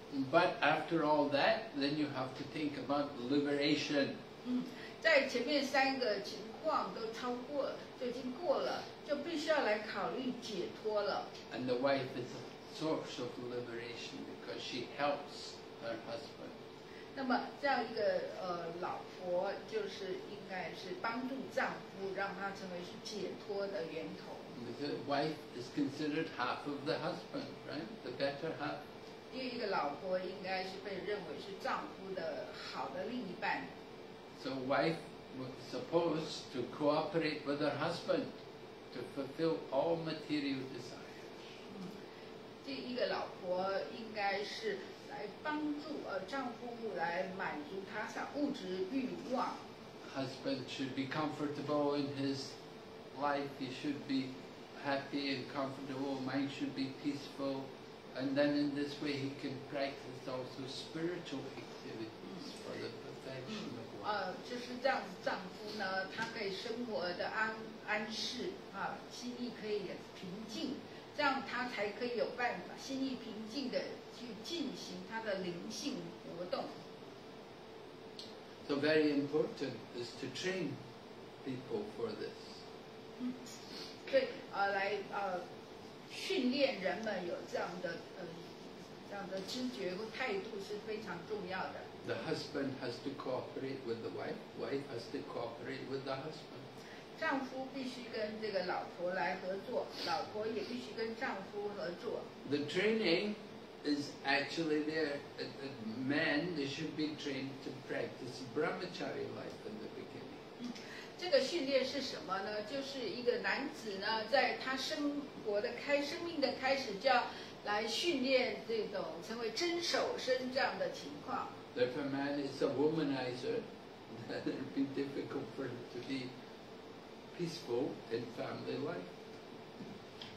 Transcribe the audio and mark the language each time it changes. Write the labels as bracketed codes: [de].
[en] But after all that, then you have to think about liberation. [zh] 在前面三个情况都超过，就已经过了，就必须要来考虑解脱了。 [en] And the wife is a source of liberation because she helps her husband. [zh] 那么这样一个老婆就是应该是帮助丈夫，让他成为是解脱的源头。 [en] The wife is considered half of the husband, right? The better half. [zh] 因为一个老婆应该是被认为是丈夫的好的另一半。 [en] So wife was supposed to cooperate with her husband to fulfill all material desires. [zh] 这一个老婆应该是来帮助丈夫来满足他想物质欲望。 [en] Husband should be comfortable in his life. He should be happy and comfortable. Mind should be peaceful. And then in this way he can practice also spiritual activities for the perfection of life. [zh] 就是这样子，丈夫呢，他可以生活的安适啊，心意可以平静，这样他才可以有办法心意平静的去进行他的灵性活动。 [en] So very important is to train people for this. [zh] 对，来训练人们有这样的知觉和态度是非常重要的。 [en] The husband has to cooperate with the wife. Wife has to cooperate with the husband. [zh] 丈夫必须跟这个老婆来合作，老婆也必须跟丈夫合作。 [en] The training is actually there. The men, they should be trained to practice brahmachari life in the beginning. [zh] 这个训练是什么呢？就是一个男子呢，在他生活的生命的开始，就要来训练这种成为真守身这样的情况。 [en] If a man is a womanizer, it would be difficult for him to be peaceful in family life.